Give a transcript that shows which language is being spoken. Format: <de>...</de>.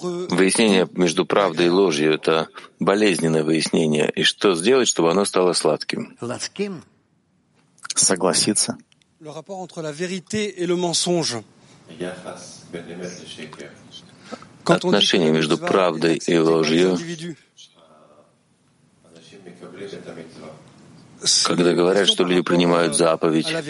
<ru>Выяснение между правдой и ложью — это болезненное выяснение. И что сделать, чтобы оно стало сладким? Согласиться.</ru> <fr>Le rapport entre la vérité et le mensonge.</fr> <ru>Отношение между правдой и ложью. Когда говорят, что люди принимают заповедь.</ru>